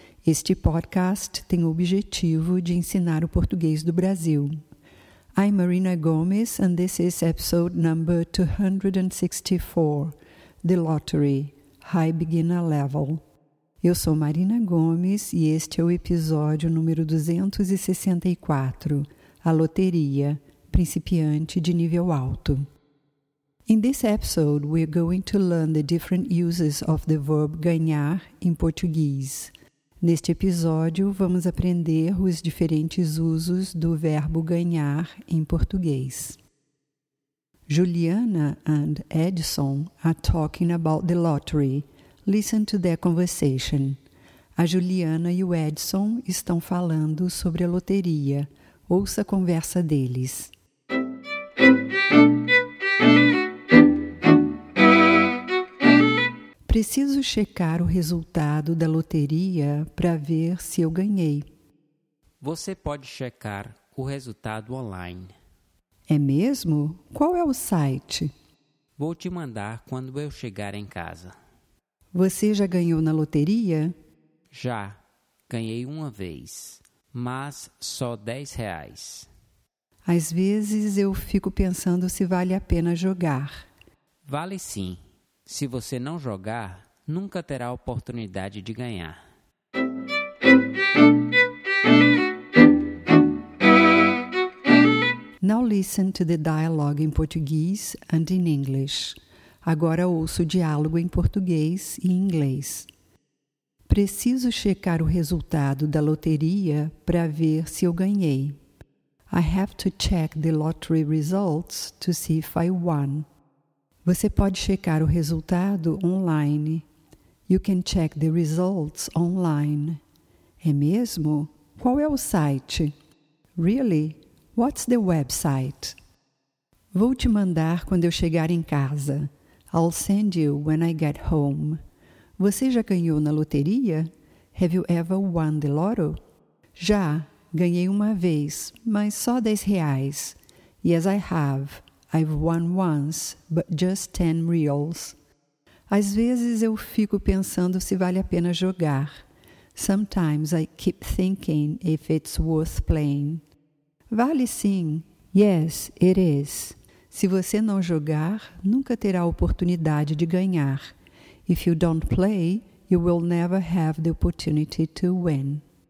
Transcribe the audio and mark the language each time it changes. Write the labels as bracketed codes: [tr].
[pt] Este podcast tem o objetivo de ensinar o português do Brasil. [en] I'm Marina Gomes, and this is episode number 264, The Lottery, High Beginner Level. [pt] Eu sou Marina Gomes e este é o episódio número 264, A Loteria, Principiante de Nível Alto. [en] In this episode, we're going to learn the different uses of the verb ganhar in Portuguese. [pt] Neste episódio, vamos aprender os diferentes usos do verbo ganhar em português. [en] Juliana and Edson are talking about the lottery. Listen to their conversation. [pt] A Juliana e o Edson estão falando sobre a loteria. Ouça a conversa deles. Preciso checar o resultado da loteria para ver se eu ganhei. Você pode checar o resultado online. É mesmo? Qual é o site? Vou te mandar quando eu chegar em casa. Você já ganhou na loteria? Já. Ganhei uma vez. Mas só 10 reais. Às vezes eu fico pensando se vale a pena jogar. Vale sim. Se você não jogar, nunca terá a oportunidade de ganhar. [en] Now listen to the dialogue in Portuguese and in English. [pt] Agora ouça o diálogo em português e inglês. Preciso checar o resultado da loteria para ver se eu ganhei. [en] I have to check the lottery results to see if I won. [pt] Você pode checar o resultado online. [en] You can check the results online. [pt] É mesmo? Qual é o site? [en] Really? What's the website? [pt] Vou te mandar quando eu chegar em casa. [en] I'll send you when I get home. [pt] Você já ganhou na loteria? [en] Have you ever won the lotto? [pt] Já, ganhei uma vez, mas só 10 reais. [en] Yes, I have. I've won once, but just 10 reals. [pt] Às vezes eu fico pensando se vale a pena jogar. [en] Sometimes I keep thinking if it's worth playing. [pt] Vale sim. [en] Yes, it is. [pt] Se você não jogar, nunca terá a oportunidade de ganhar. [en] If you don't play, you will never have the opportunity to win.